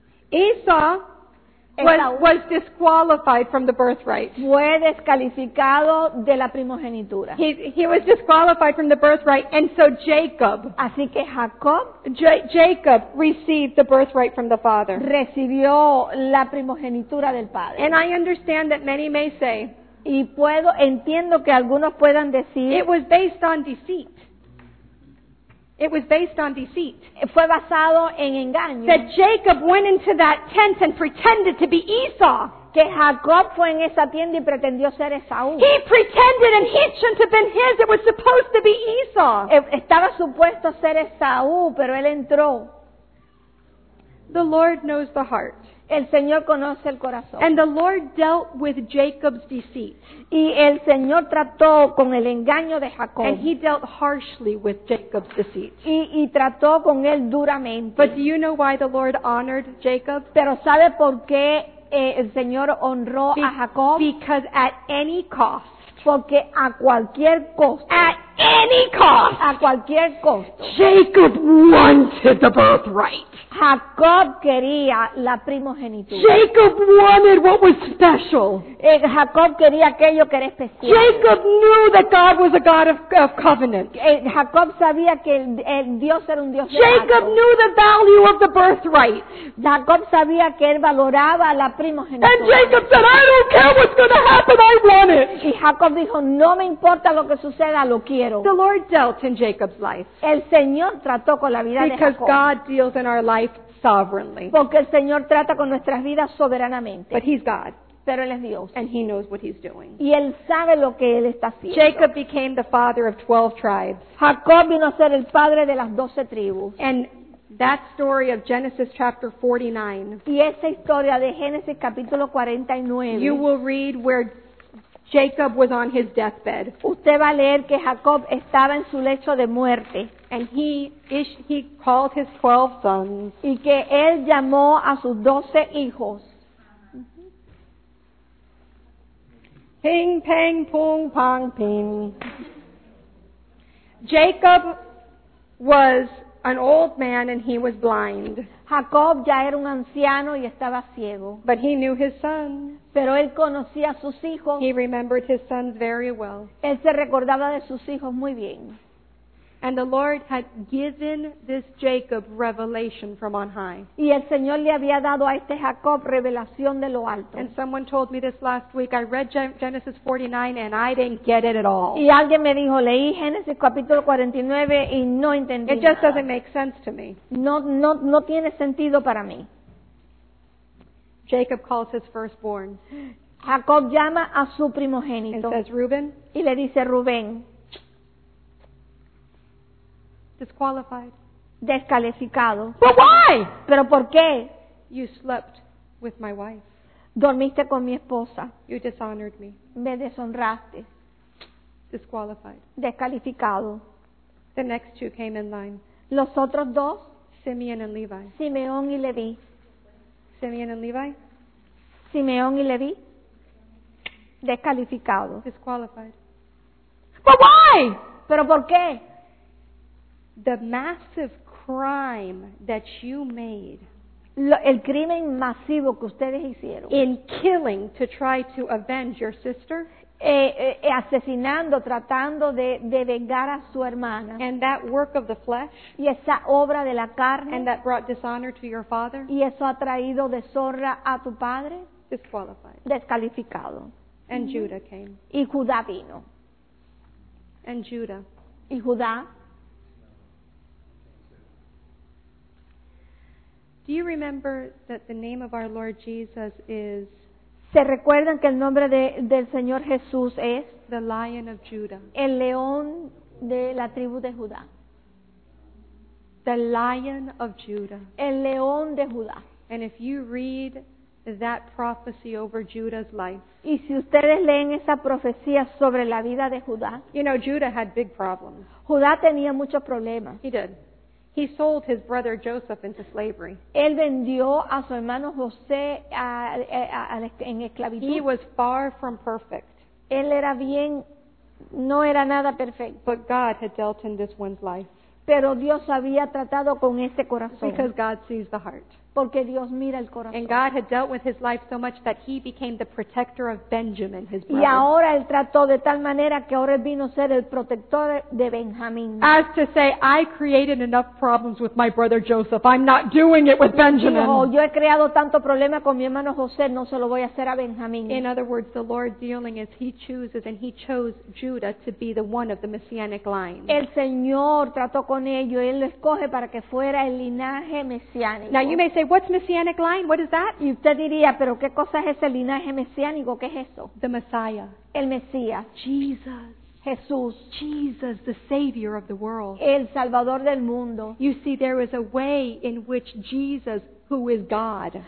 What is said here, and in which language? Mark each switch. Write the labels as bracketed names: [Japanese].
[English] Esau was disqualified from the birthright. [Spanish] Fue descalificado de la primogenitura. [English] He was disqualified from the birthright, and so Jacob. [Spanish] Así que Jacob. [English] Jacob received the birthright from the father. [Spanish] Recibió la primogenitura del padre. [English] And I understand that many may say. [Spanish] Y puedo entiendo que algunos puedan decir. [English] It was based on deceit. It was based on deceit. [Spanish] Fue basado en engaño. [English] That Jacob went into that tent and pretended to be Esau. [Spanish] Que Jacob fue en esa tienda y pretendió ser Esaú. [English] He pretended and it shouldn't have been his. It was supposed to be Esau. [Spanish] Estaba supuesto ser Esaú, pero él entró. [English] The Lord knows the heart. [Spanish] El Señor conoce el corazón. [English] And the Lord dealt with Jacob's deceit. [Spanish] Y el Señor trató con el engaño de Jacob. [English] And he dealt harshly with Jacob's deceit. [Spanish] Y trató con él duramente. [English] But do you know why the Lord honored Jacob? [Spanish] Pero ¿sabe por qué el Señor honró a Jacob? [English] Because at any cost. [Spanish] Porque a cualquier costo. [English] At any cost. [Spanish] A cualquier costo. [English] Jacob wanted the birthright. [Spanish] Jacob quería la primogenitura. [English] Jacob wanted what was special. [Spanish] Jacob quería aquello que era especial. [English] Jacob knew that God was a God of covenant. [Spanish] Jacob sabía que el Dios era un Dios de Jacob pacto. [English] Knew the value of the birthright. [Spanish] Jacob sabía que él valoraba la primogenitura. [English] And Jacob said, I don't care what's going to happen, I want it. [Spanish] Y Jacob dijo, no me importa lo que suceda, lo quiero. [English] The Lord dealt in Jacob's life. [Spanish] El Señor trató con la vida de Jacob. [English] God deals in our life sovereignly. [Spanish] Porque el Señor trata con nuestras vidas soberanamente. [English] But he's God. [Spanish] Pero él es Dios. [English] And he knows what he's doing. [Spanish] Y él sabe lo que él está haciendo. [English] Jacob became the father of 12 tribes. [Spanish] Jacob vino a ser el padre de las 12 tribus. [English] And that story of Genesis chapter 49. [Spanish] Y esa historia de Génesis capítulo 49. [English] You will read where Jacob was on his deathbed. [Spanish] Usted va a leer que Jacob estaba en su lecho de muerte. [English] And he called his 12 sons. [Spanish] Y que él llamó a sus 12 hijos. [English] Ping, pang, pong, pong, ping. Jacob was an old man and he was blind. [Spanish] Jacob ya era un anciano y estaba ciego. [English] But he knew his sons. [Spanish] Pero él conocía a sus hijos. [English] He remembered his sons very well. [Spanish] Él se recordaba de sus hijos muy bien. [English] And the Lord had given this Jacob revelation from on high. [Spanish] Y el Señor le había dado a este Jacob revelación de lo alto. [English] And someone told me this last week, I read Genesis 49 and I didn't get it at all. [Spanish] Y alguien me dijo, leí Génesis capítulo 49 y no entendí. [English] It just [Spanish] nada. [English] Doesn't make sense to me. [Spanish] No tiene sentido para mí. [English] Jacob calls his firstborn. [Spanish] Jacob llama a su primogénito. [English] And says, Reuben. [Spanish] Y le dice, Rubén. [English] Disqualified. [Spanish] Descalificado. [English] But why? [Spanish] Pero ¿por qué? [English] You slept with my wife. [Spanish] Dormiste con mi esposa. [English] You dishonored me. [Spanish] Me deshonraste. [English] Disqualified. [Spanish] Descalificado. [English] The next two came in line. [Spanish] Los otros dos. [English] Simeon and Levi. [Spanish] Simeón y Leví. [English] Simeon and Levi. [Spanish] Simeón y Leví. Descalificado. [English] Disqualified. But why? [Spanish] Pero ¿por qué? [English] The massive crime that you made, [Spanish] el crimen masivo que ustedes hicieron, [English] in killing to try to avenge your sister, [Spanish] asesinando, tratando de vengar a su hermana, [English] and that work of the flesh, [Spanish] y esa obra de la carne, [English] and that brought dishonor to your father, [Spanish] y eso ha traído deshonra a tu padre, [English] disqualified, [Spanish] descalificado, [English] and Judah came, [Spanish] y Judá vino, [English] and Judah, [Spanish] y Judá. [English] Do you remember that the name of our Lord Jesus is? [Spanish] ¿Se recuerdan que el nombre del Señor Jesús es? [English] The Lion of Judah. [Spanish] El león de la tribu de Judá. [English] The Lion of Judah. [Spanish] El león de Judá. [English] And if you read that prophecy over Judah's life. [Spanish] Y si ustedes leen esa profecía sobre la vida de Judá. [English] You know, Judah had big problems. [Spanish] Judá tenía muchos problemas. [English] He did. He sold his brother Joseph into slavery. [Spanish] Él vendió a su hermano José en esclavitud. [English] He was far from perfect. [Spanish] Él era bien, no era nada perfecto. [English] But God had dealt in this one's life. [Spanish] Pero Dios había tratado con este corazón. [English] Because God sees the heart. [Spanish] Porque Dios mira el corazón. [English] And God had dealt with his life so much that he became the protector of Benjamin, his brother. [Spanish] Y ahora él trató de tal manera que ahora vino a ser el protector de Benjamín. [English] As to say, I created enough problems with my brother Joseph. I'm not doing it with Benjamin. [Spanish] Dijo, yo he creado tanto problema con mi hermano José, no se lo voy a hacer a Benjamín. [English] In other words, the Lord dealing is he chooses and he chose Judah to be the one of the messianic line. [Spanish] El Señor trató con ello, él lo escoge para que fuera el linaje mesiánico. [English] Now you may say, what's messianic line? What is that? [Spanish] Y usted diría, pero ¿qué cosa es ese linaje mesiánico? ¿Qué es eso? [English] The Messiah. [Spanish] El Mesías. [English] Jesus. [Spanish] Jesús. [English] Jesus, the Savior of the world. [Spanish] El Salvador del mundo. [English] You see, there is a way in which Jesus, who is God.